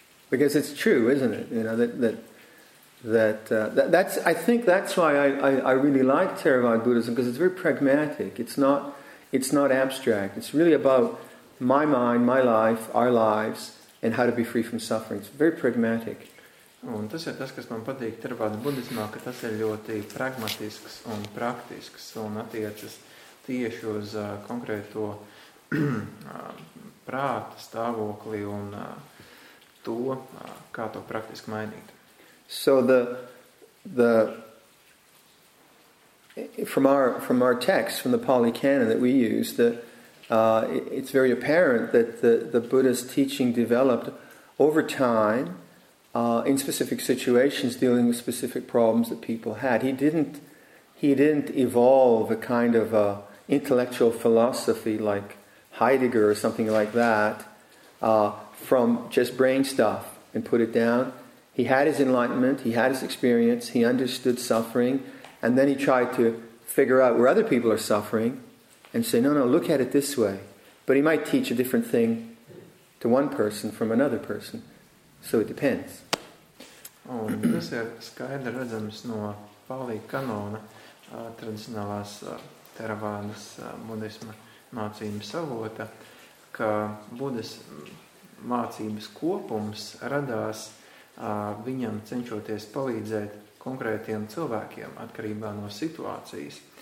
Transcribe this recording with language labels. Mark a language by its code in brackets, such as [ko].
[en] Because it's true, isn't it? You know that's. I think that's why I really like Theravada Buddhism, because it's very pragmatic. It's not abstract. It's really about my mind, my life, our lives, and how to be free from suffering. It's very pragmatic. [lv] Un tas ir tas, kas man patīk Theravada Buddhismā, ka tas ir ļoti pragmatisks un praktisks un attiecas tieši uz konkrēto prāta stāvokli un to, kā to praktiski mainīt. [en] So the from our text, from the Pali Canon that we use, that it's very apparent that the Buddha's teaching developed over time in specific situations dealing with specific problems that people had. He didn't evolve a kind of a intellectual philosophy like Heidegger or something like that from just brain stuff and put it down. He had his enlightenment, he had his experience, he understood suffering, and then he tried to figure out where other people are suffering and say, no, look at it this way. But he might teach a different thing to one person from another person. So it depends. [lv] Un tas ir skaidri redzams no Pali kanona, tradicionālās Theravādas budisma mācības avota, ka Budas mācības kopums radās viņam cenšoties palīdzēt konkrētiem cilvēkiem atkarībā no situācijas.